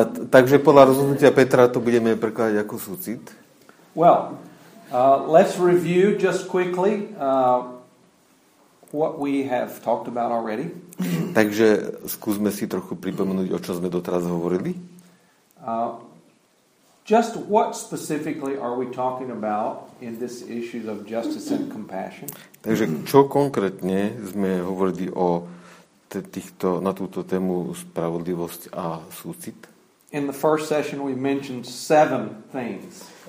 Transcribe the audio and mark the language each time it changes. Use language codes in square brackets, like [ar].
[sk] Takže podľa rozhodnutia Petra to budeme prekladať ako súcit. [en] Well, let's review just quickly what we have talked about already. [sk] Takže skúsme si trochu pripomenúť, o čom sme doteraz hovorili. [en] Just what specifically are we talking about in this issue of justice and compassion? [sk] Takže čo konkrétne sme hovorili o týchto, na túto tému spravodlivosť a súcit. [en] In the first session we mentioned seven things.